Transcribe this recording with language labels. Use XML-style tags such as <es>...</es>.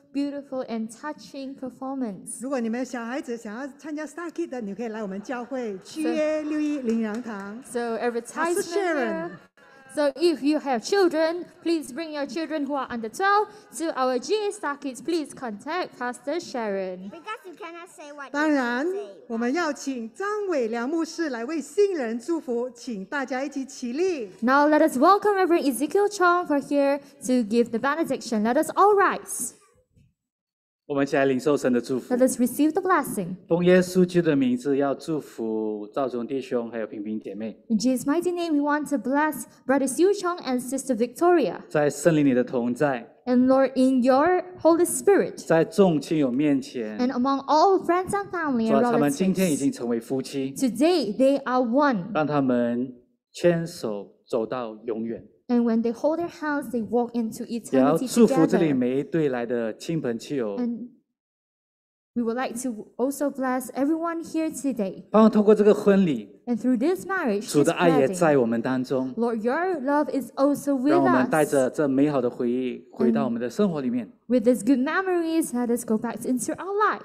<en>Beautiful and touching performance.</en> <zh>如果你们小孩子想要参加 Star Kid 的，你可以来我们教会GA 六一林洋堂。</zh> <en>So advertisement here. So if you have children, please bring your children who are under 12 to our GA Star Kids. Please contact Pastor Sharon. Because you cannot say what.</en> <zh>当然，我们要请张伟良牧师来为新人祝福，请大家一起起立。</zh> <en>Now let us welcome Reverend Ezekiel Chong for here to give the benediction. Let us all rise.</en> <zh>我们一起来领受神的祝福。</zh> <en>Let us receive the blessing.</en> <zh>奉耶稣基督的名字，要祝福赵总弟兄还有平平姐妹。</zh> <en>In Jesus' mighty name, we want to bless Brother Xiu Chong and Sister Victoria.</en> <zh>在圣灵里的同在。</zh> <en>And Lord, in your Holy Spirit.</en> <zh>在众亲友面前。</zh> <en>And among all friends and family and relatives.</en> <zh>他们今天已经成为夫妻。</zh> <en>Today they are one.</en> <zh>让他们牵手走到永远。</zh> <en>And when they hold their hands, they walk into eternity together.</en> <zh>也要祝福这里每一对来的亲朋戚友。</zh> <en>And we would like to also bless everyone here today.</en> <zh>盼望通过这个婚礼。</zh> <en>And through this marriage,</en> <zh>主的爱也在我们当中。</zh> <en>Lord, your love is also with us.</en> <zh>让我们带着这美好的回忆回到我们的生活里面。</zh> <en>With these good memories, let us go back into our lives.</en>